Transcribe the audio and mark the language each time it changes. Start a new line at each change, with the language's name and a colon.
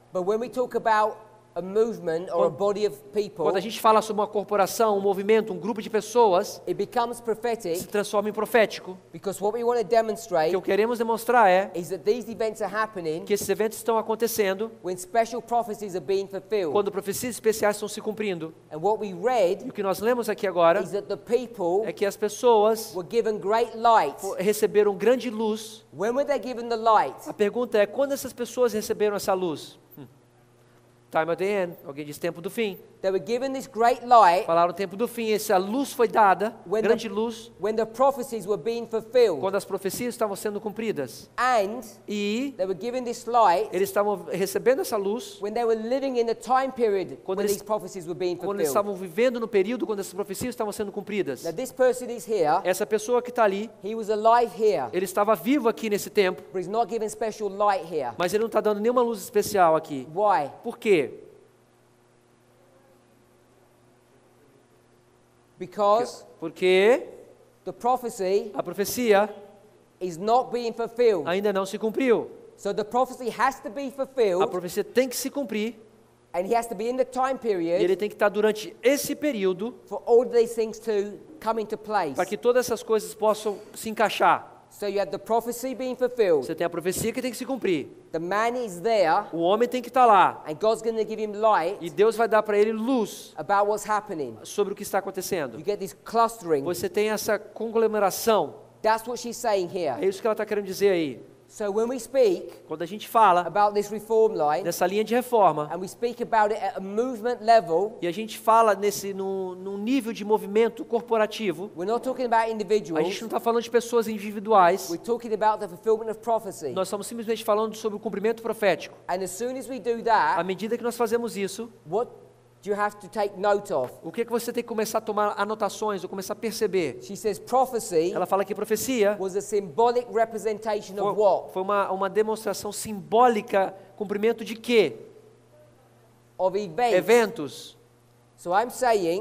English: But when we talk about a movement or a body of people,
Portuguese: quando a gente fala sobre uma corporação, um movimento, um grupo de pessoas,
English: it becomes prophetic,
Portuguese: se transforma em profético.
English: Because what we want to demonstrate,
Portuguese: o que eu queremos demonstrar é
English: is that these events are happening,
Portuguese: que esses eventos estão acontecendo,
English: when special prophecies are being fulfilled,
Portuguese: quando profecias especiais estão se cumprindo.
English: And what we read,
Portuguese: e o que nós lemos aqui agora
English: is that the people,
Portuguese: é que as pessoas
English: were given great light,
Portuguese: receberam grande luz.
English: When were they given the light?
Portuguese: A pergunta é, quando essas pessoas receberam essa luz?
English: Time at the end,
Portuguese: alguém diz tempo do fim.
English: They were given this great light.
Portuguese: Falaram tempo do fim, essa luz foi dada,
English: when
Portuguese: grande
English: the,
Portuguese: luz.
English: When the prophecies were being fulfilled.
Portuguese: Quando as profecias estavam sendo cumpridas.
English: And
Portuguese: e
English: they were given this light.
Portuguese: Eles estavam recebendo essa luz.
English: When they were living in the time period when these prophecies were being fulfilled.
Portuguese: Quando eles estavam vivendo no período quando essas profecias estavam sendo cumpridas.
English: Now this person is here.
Portuguese: Essa pessoa que está ali.
English: He was alive here.
Portuguese: Ele estava vivo aqui nesse tempo.
English: But he's not given special light here.
Portuguese: Mas ele não está dando nenhuma luz especial aqui.
English: Why?
Portuguese: Por quê?
English: Because
Portuguese: porque
English: the prophecy,
Portuguese: a profecia
English: is not being fulfilled,
Portuguese: ainda não se cumpriu.
English: So the prophecy has to be fulfilled,
Portuguese: a profecia tem que se cumprir.
English: And he has to be in the time period,
Portuguese: e ele tem que estar durante esse período
English: for all these things to come into place,
Portuguese: para que todas essas coisas possam se encaixar.
English: So you have the prophecy being fulfilled.
Portuguese: Você tem a profecia que tem que se cumprir.
English: The man is there.
Portuguese: O homem tem que estar lá.
English: And God's going to give him light.
Portuguese: E Deus vai dar para ele luz.
English: About what's happening.
Portuguese: Sobre o que está acontecendo.
English: You get this clustering.
Portuguese: Você tem essa conglomeração.
English: That's what she's saying here.
Portuguese: É isso que ela está querendo dizer aí.
English: So when we speak,
Portuguese: quando a gente fala
English: about this reform line,
Portuguese: nessa linha de reforma,
English: and we speak about it at a movement level,
Portuguese: e a gente fala num nível de movimento corporativo,
English: we're not talking about individuals,
Portuguese: a gente não está falando de pessoas individuais,
English: we're talking about the fulfillment of prophecy.
Portuguese: Nós estamos simplesmente falando sobre o cumprimento profético.
English: And as soon as we do that,
Portuguese: à medida que nós fazemos isso,
English: what do you have to take note of?
Portuguese: O que é que você tem que começar a tomar anotações ou começar a perceber?
English: She says prophecy.
Portuguese: Ela fala que profecia
English: was a symbolic representation of what?
Portuguese: Foi uma demonstração simbólica, cumprimento de quê?
English: Of events.
Portuguese: Eventos.
English: So I'm saying,